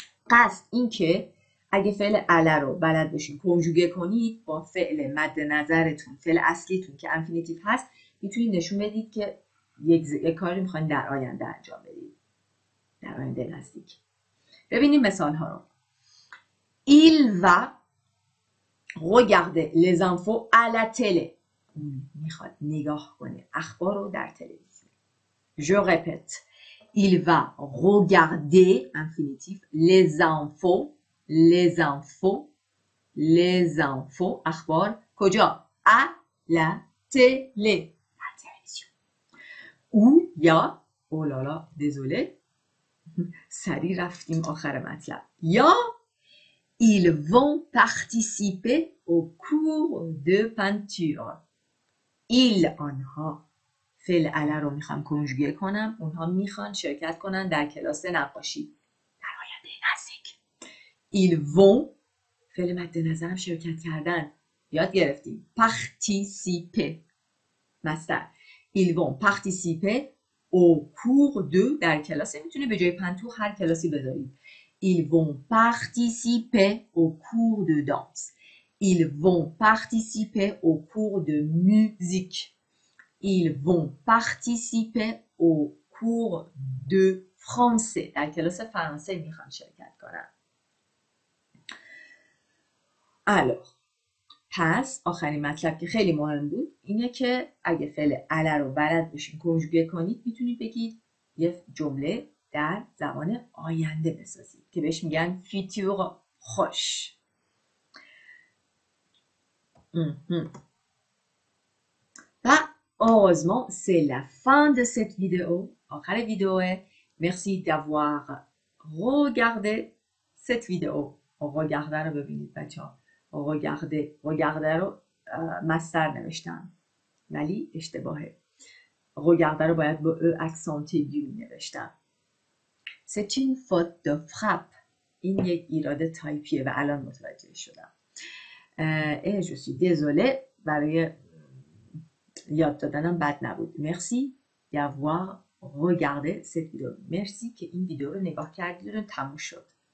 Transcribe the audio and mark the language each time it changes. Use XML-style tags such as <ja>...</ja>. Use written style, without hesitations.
<fa>قصد این که اگه فعل اله رو بلد بشین کنجوگه کنید با فعل مد نظرتون. فعل اصلیتون که انفینیتیف هست. میتونید نشون بدید که یک کاری میخواین در آینده انجام بدید. در آینده نزدیک. ببینیم مثال ها رو.</fa> <fr>Il va regarde les infos à la télé.</fr> <fa>میخواد نگاه کنه اخبار رو در تلویزیون.</fa> <fr>Je répète. Il va regarder infinitif les infos</fr> <fa>اخبار کجا؟</fa> <fr>à la télé.</fr> <fa>در تلویزیون. او یا او لالا دزوله سری رفتیم آخر مطلب.</fa> <fr>یا Ils vont participer au cours de peinture. Ils, آنها.</fr> <fa>فعل اله رو میخوام کنجوگه کنم. اونها میخوان شرکت کنن در کلاس نقاشی. در آینده نزدیک.</fa> <fr>Ils vont.</fr> <fa>فعل مد نظرم شرکت کردن. یاد گرفتیم. Participer. مستر.</fa> <fr>Ils vont participer au cours de. در کلاس میتونه به جای پنتور هر کلاسی بذارید. Ils vont participer au cours de danse. Ils vont participer au cours de musique. Ils vont participer au cours de français. Dans quel sens français ils vont participer? Alors, pas.</fr> <fa>آخرین مطلب که خیلی مهم بود اینه که اگه فعل اله رو بلد بشین کنجوگه کنید میتونید بگید یه جمله در زمان آینده بسازید که بهش میگن فیتور خوش.</fa> <fr>Heureusement, c'est la fin de cette vidéo. Encore la vidéo est. Merci d'avoir regardé cette vidéo.</fr> <fa>Regardez باید به ا اکسانت یو می نوشتم.</fa> <fr>C'est une faute de frappe.</fr> <fa>این یک ایراد تایپیه و الان متوجه شدم.</fa> <fr>Je suis désolée</fr> <fa>برای یاد دادنم بد نبود.</fa> <fr>مرسی d'avoir regardé cette vidéo.</fr> <fa>مرسی که این ویدیو رو نگاه کردید و تموم شد.</fa>